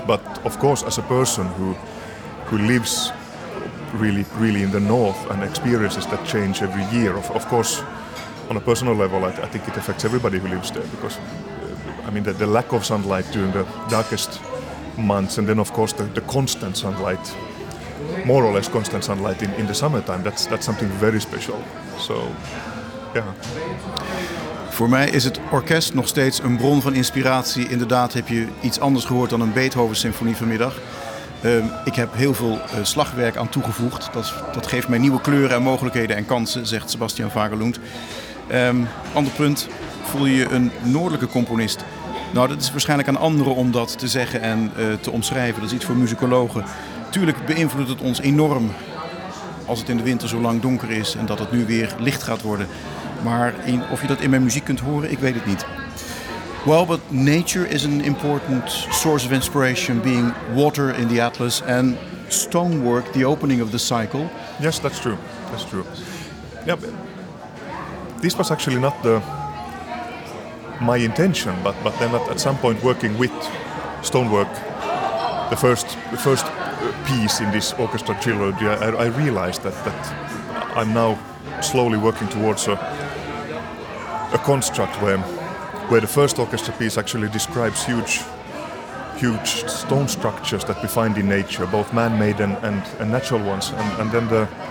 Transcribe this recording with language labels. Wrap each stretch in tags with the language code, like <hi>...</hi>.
<en>But of course, as a person who lives really, really in the north and experiences that change every year, of course, on a personal level, I think it affects everybody who lives there. Because I mean, the lack of sunlight during the darkest months, and then of course the constant sunlight, more or less constant sunlight in the summertime. That's something very special. So, yeah.</en> <nl>Voor mij is het orkest nog steeds een bron van inspiratie. Inderdaad heb je iets anders gehoord dan een Beethoven-symfonie vanmiddag. Ik heb heel veel slagwerk aan toegevoegd. Dat geeft mij nieuwe kleuren en mogelijkheden en kansen, zegt Sebastian Fagerlund. Ander punt, voel je een noordelijke componist? Nou, dat is waarschijnlijk aan anderen om dat te zeggen en te omschrijven. Dat is iets voor muzikologen. Tuurlijk beïnvloedt het ons enorm als het in de winter zo lang donker is en dat het nu weer licht gaat worden. Maar of je dat in mijn muziek kunt horen, ik weet het niet.</nl> <en>Well, but nature is an important source of inspiration, being water in the atlas and stonework, the opening of the cycle. Yes, that's true. That's true. Yeah, this was actually not my intention, but then at some point working with stonework, the first piece in this orchestra trilogy, I realized that I'm now slowly working towards a construct where the first orchestra piece actually describes huge stone structures that we find in nature, both man-made and natural ones, and then the</en>